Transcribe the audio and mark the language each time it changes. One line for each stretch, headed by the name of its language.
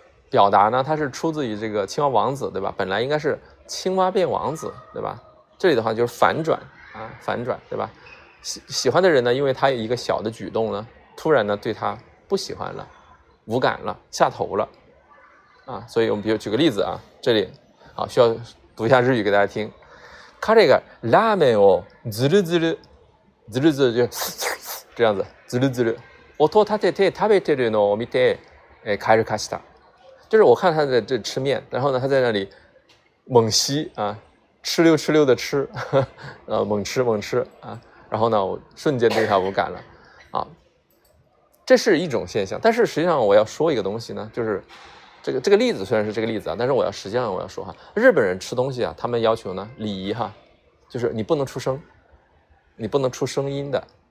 Chinese: 表达呢，它是出自于这个青蛙王子，对吧？本来应该是青蛙变王子，对吧？这里的话就是反转啊，反转，对吧？喜欢的人呢，因为他有一个小的举动呢，突然呢对他不喜欢了，无感了，下头了啊。所以我们比如举个例子啊，这里好需要读一下日语给大家听。
Japanese: 彼がラーメンをずるずる、ずるずる
Chinese: 就这样子，
Japanese: ずるずる。音を立てて食べてるのを見て、帰るかした。
Chinese: 就是我看他在这吃面，然后呢，他在那里猛吸啊，吃溜吃溜的吃，猛吃猛吃啊，然后呢，我瞬间对他无感了啊，这是一种现象。但是实际上我要说一个东西呢，就是这个例子虽然是这个例子啊，但是实际上我要说哈，日本人吃东西啊，他们要求呢礼仪哈，就是你不能出声，你不能出声音的。